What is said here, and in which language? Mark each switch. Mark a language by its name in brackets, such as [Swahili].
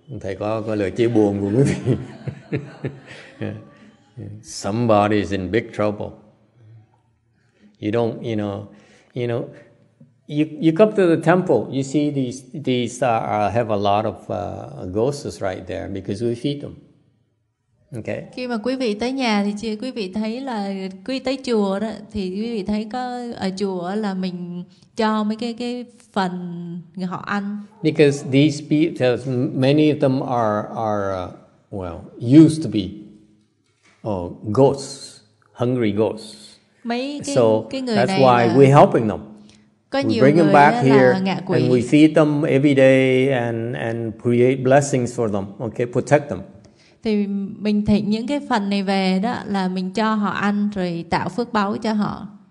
[Vietnamese] Thầy có lời chia buồn của quý vị. [English] Somebody is in big trouble. You come to the temple, you see these have a lot of ghosts right there because we feed them. Okay. [Vietnamese] Khi mà quý vị tới nhà thì quý vị thấy là quý tới chùa đó thì quý vị thấy có ở chùa là mình cho mấy cái phần họ ăn. [English] Because these people, many of them are used to be ghosts, hungry ghosts. That's why we're helping them. We bring them back here and we feed them every day and create blessings for them. Okay, protect them. [Vietnamese] Thì mình thỉnh những cái phần này về đó là mình cho họ ăn rồi tạo phước báo cho họ.